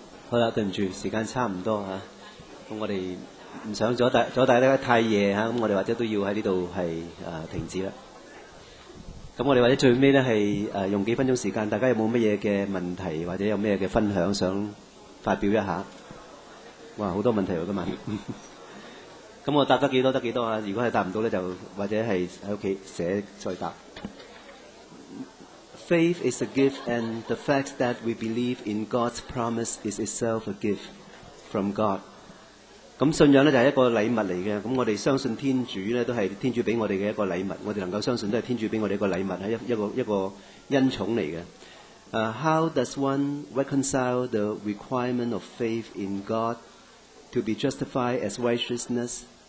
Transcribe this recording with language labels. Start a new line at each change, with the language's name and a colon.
Cantonese: 好了，對不起，時間差不多，我們不想阻大家太夜，我們或者都要在這裡是停止了，我們或者最後是用幾分鐘時間，大家有沒有什麼的問題或者有什麼的分享想發表一下？哇，很多問題今晚我答得多少得多少，如果是答不到就或者是在家寫再答。
English: Faith is a gift and the fact that we believe in God's promise is itself a gift from God。
Cantonese: 信仰就是一个礼物来的，我们相信天主都是天主给我们的一个礼物，我们能够相信都是天主给我们的一个礼物，是一个恩宠来的。
English: How does one reconcile the requirement of faith in God to be justified as righteousness?